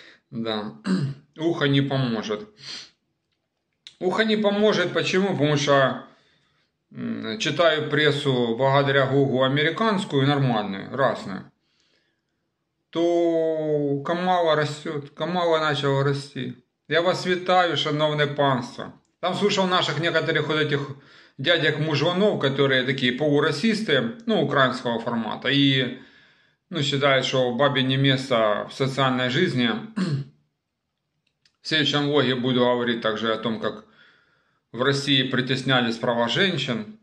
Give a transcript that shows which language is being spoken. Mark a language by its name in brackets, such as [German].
[Russian] Да, ухо не поможет. Ухо не поможет, почему? Потому что читаю прессу благодаря Гугу американскую, нормальную, разную. То Камала растет, Камала начала расти. [Ukrainian] Я вас вітаю, шановне панство. [Russian] Там слушав наших некоторых вот этих дядек мужланов, которые такие полурасисты, ну, украинского формата, и, ну, считают, что бабе не место в социальной жизни. В следующем влоге буду говорить также о том, как в России притеснялись права женщин.